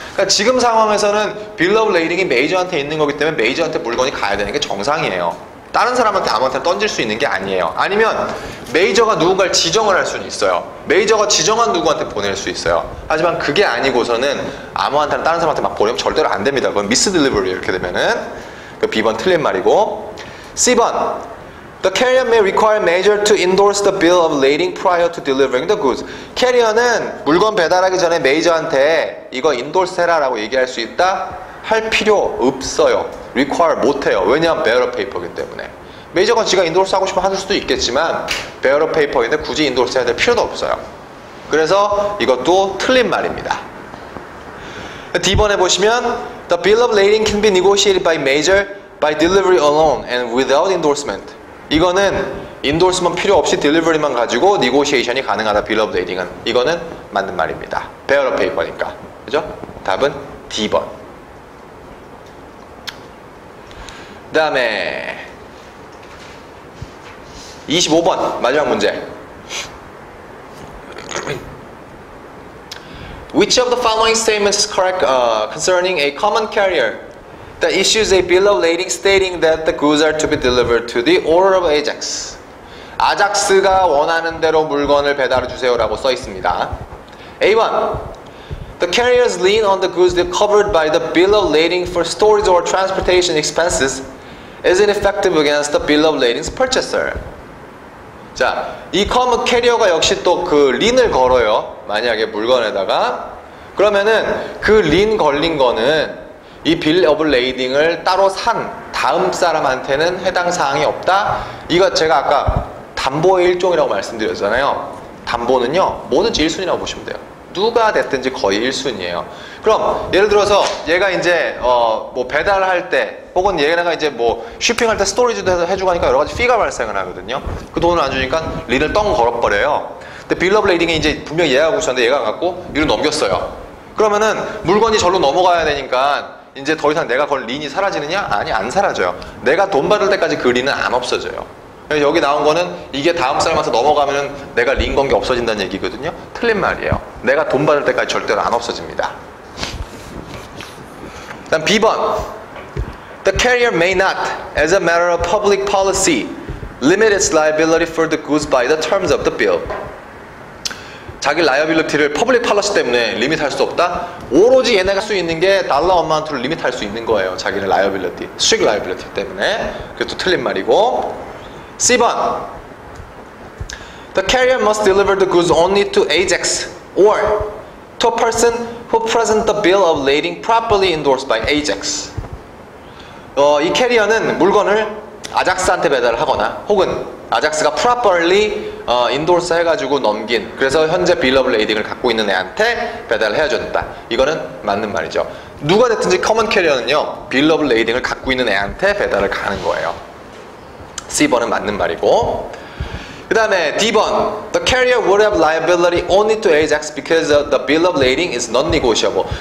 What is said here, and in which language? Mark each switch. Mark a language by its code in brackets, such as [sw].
[ko] 그러니까 지금 상황에서는 빌 오브 레이딩이 메이저한테 있는 거기 때문에 메이저한테 물건이 가야 되는 게 정상이에요. 다른 사람한테 아무한테 던질 수 있는 게 아니에요. 아니면 메이저가 누군가를 지정을 할 수는 있어요. 메이저가 지정한 누구한테 보낼 수 있어요. 하지만 그게 아니고서는 아무한테나 다른 사람한테 막 보내면 절대로 안 됩니다. 그건 미스 딜리버리 이렇게 되면은. 그 B번 틀린 말이고. C번. [en] The carrier may require major to endorse the bill of lading prior to delivering the goods. [ko] 캐리어는 물건 배달하기 전에 메이저한테 이거 인도스 해라라고 얘기할 수 있다? 할 필요 없어요. require 못해요. 왜냐하면 bearer of paper이기 때문에. 메이저가 지가 인도스 하고 싶으면 할 수도 있겠지만 bearer of paper인데 굳이 인도스 해야 될 필요도 없어요. 그래서 이것도 틀린 말입니다. D번에 보시면 [en] The bill of lading can be negotiated by major by delivery alone and without endorsement. [ko] 이거는 인도스만 필요 없이 딜리버리만 가지고 negotiation이 가능하다. bill of lading은. 이거는 맞는 말입니다. bearer of paper니까. 그죠? 답은 D번. 그 다음에 25번 마지막 문제. [en] Which of the following statements is correct concerning a common carrier that issues a bill of lading stating that the goods are to be delivered to the order of Ajax? [ko] 아작스가 원하는 대로 물건을 배달해 주세요라고 써 있습니다. A1. [en] The carrier's lien on the goods that covered by the bill of lading for storage or transportation expenses is ineffective against the bill of lading's purchaser. [ko] 자, 이 커먼 캐리어가 역시 또 그 린을 걸어요. 만약에 물건에다가. 그러면은 그 린 걸린 거는 이 빌 오브 레이딩을 따로 산 다음 사람한테는 해당 사항이 없다? 이거 제가 아까 담보의 일종이라고 말씀드렸잖아요. 담보는요, 뭐든지 1순위라고 보시면 돼요. 누가 됐든지 거의 1순위예요. 그럼 예를 들어서 얘가 이제 뭐 배달을 할 때, 혹은 얘네가 이제 뭐 쇼핑할 때 스토리지도 해서 해주고 하니까 여러 가지 피가 발생을 하거든요. 그 돈을 안 주니까 린을 떵 걸어버려요. 근데 빌 오브 레이딩에 이제 분명히 예약하고 있었는데 얘가 갖고 이를 넘겼어요. 그러면은 물건이 절로 넘어가야 되니까 이제 더 이상 내가 걸 린이 사라지느냐? 아니, 안 사라져요. 내가 돈 받을 때까지 그 린은 안 없어져요. 여기 나온 거는 이게 다음 사람한테 넘어가면 내가 린 건 게 없어진다는 얘기거든요. 틀린 말이에요. 내가 돈 받을 때까지 절대로 안 없어집니다. 그다음 B번. [en] The carrier may not, as a matter of public policy, limit its liability for the goods by the terms of the bill. [ko] 자기 liability를 public policy 때문에 limit 할 수 없다? 오로지 얘네가 할 수 있는 게 달러 어마운트를 limit 할 수 있는 거예요. 자기의 liability, strict liability 때문에. 그것도 틀린 말이고. C번. [en] The carrier must deliver the goods only to Ajax or to a person who present the bill of lading properly endorsed by Ajax. [ko] 이 캐리어는 물건을 아작스한테 배달을 하거나 혹은 아작스가 properly 인도스 해가지고 넘긴, 그래서 현재 빌러블 레이딩을 갖고 있는 애한테 배달을 헤어줬다. 이거는 맞는 말이죠. 누가 됐든지 커먼 캐리어는요, 빌러블 레이딩을 갖고 있는 애한테 배달을 가는 거예요. C번은 맞는 말이고. 그 다음에 D번, [en] the carrier would have liability only to Ajax because the bill of lading is non-negotiable.